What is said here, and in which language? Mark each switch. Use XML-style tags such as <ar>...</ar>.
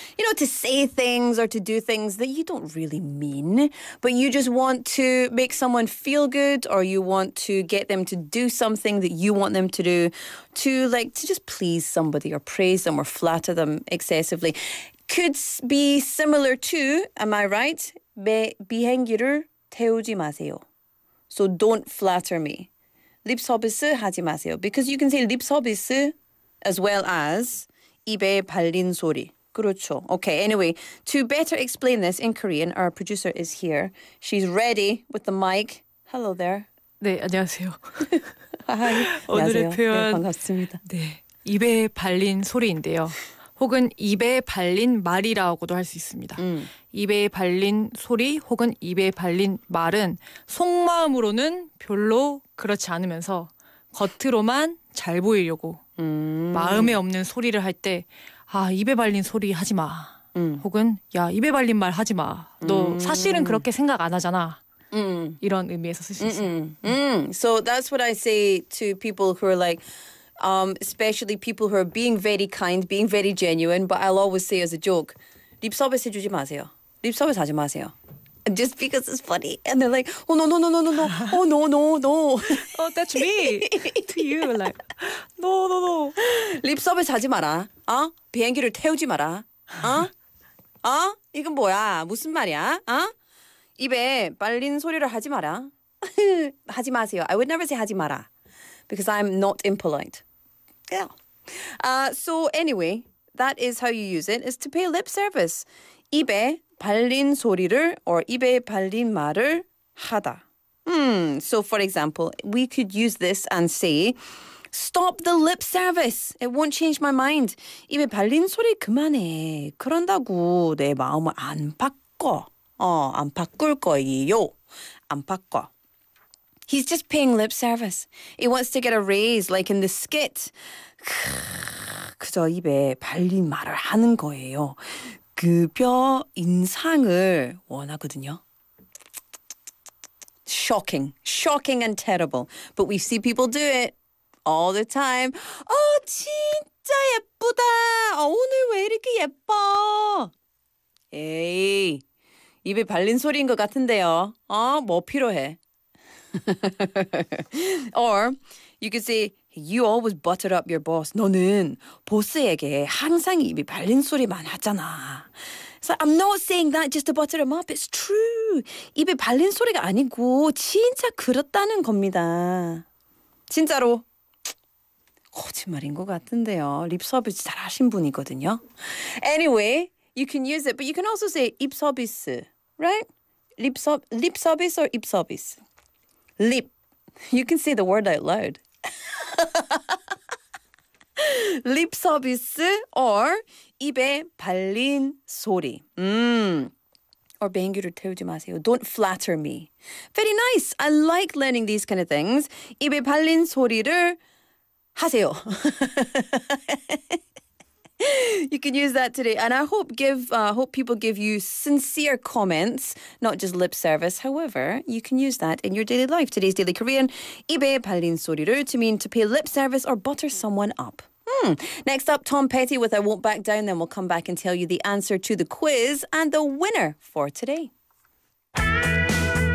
<en>You know, to say things or to do things that you don't really mean, but you just want to make someone feel good, or you want to get them to do something that you want them to do, to just please somebody or praise them or flatter them excessively. Could be similar to, am I right?</en> <ko>비행기를 태우지 마세요.</ko> <en>So don't flatter me.</en> <ko>립 서비스 하지 마세요.</ko> <en>Because you can say 립 서비스 as well as 입에 발린 소리.</en> <ko>그렇죠.</ko> <en>Okay, anyway, to better explain this in Korean, our producer is here. She's ready with the mic. Hello there.</en> <ko>네, 안녕하세요.</ko> <en>Hi.</en> <ko>오늘의 표현. 네, 반갑습니다. 네, 입에 발린 소리인데요. 혹은 입에 발린 말이라고도 할 수 있습니다. 입에 발린 소리 혹은 입에 발린 말은 속마음으로는 별로 그렇지 않으면서 겉으로만 잘 보이려고 마음에 없는 소리를 할 때 입에 발린 소리 하지 마 혹은 야 입에 발린 말 하지 마. 너 사실은 그렇게 생각 안 하잖아. 이런 의미에서 쓸 수 있어.</ko> <en>So that's what I say to people who are like, especially people who are being very kind, being very genuine. But I'll always say as a joke,</en> <ko>립서비스 주지 마세요. 립서비스 하지 마세요.</ko> <en>Just because it's funny, and they're like, oh no no no no no no, oh no no no. Oh, that's me to you. Like, no no no.</en> <ko>립서비스 하지 마라. 아 비행기를 태우지 마라. 아 아 이건 뭐야? 무슨 말이야? 아 입에 발린 소리를 하지 마라. 하지 마세요.</ko> <en>I would never say 하지 마라, because I'm not impolite. Yeah. So anyway, that is how you use it. Is to pay lip service.</en> <ko>입에 발린 소리를 or 입에 발린 말을 하다.</ko> <en>So for example, we could use this and say, stop the lip service. It won't change my mind.</en> <ko>입에 발린 소리 그만해. 그런다고 내 마음을 안 바꿔. 안 바꿀 거예요. 안 바꿔.</ko> <en>He's just paying lip service. He wants to get a raise, like in the skit.</en> <ko>그저 입에 발린 말을 하는 거예요. 급여 인상을 원하거든요.</ko> <en>Shocking. Shocking and terrible. But we see people do it all the time.</en> <ko>Oh, 진짜 예쁘다. 오늘 왜 이렇게 예뻐? 에이. 입에 발린 소리인 것 같은데요. 뭐 필요해?</ko> <en>Or you could say, you always butter up your boss.</en> <ko>너는 보스에게 항상 입이 발린 소리만 하잖아. So I'm not saying that just to butter him up. It's true. 입에 발린 소리가 아니고 진짜 그렇다는 겁니다. 진짜로. 거짓말인 것 같은데요. 립서비스 잘 하신 분이거든요.</ko> <en>Anyway, you can use it. But you can also say 입서비스. Right? Lip service or ip service? Lip. You can say the word out loud. Lip service or 입에 발린 소리.</en> <ko>Or 비행기를 태우지 마세요.</ko> <en>Don't flatter me. Very nice. I like learning these kind of things.</en> <ko>입에 발린 소리를 하세요.</ko> <en>You can use that today, and I hope hope people give you sincere comments, not just lip service. However, you can use that in your daily life. Today's Daily Korean, 입에 발린 소리를, to mean to pay lip service or butter someone up. Next up, Tom Petty with I Won't Back Down, then we'll come back and tell you the answer to the quiz and the winner for today.</en>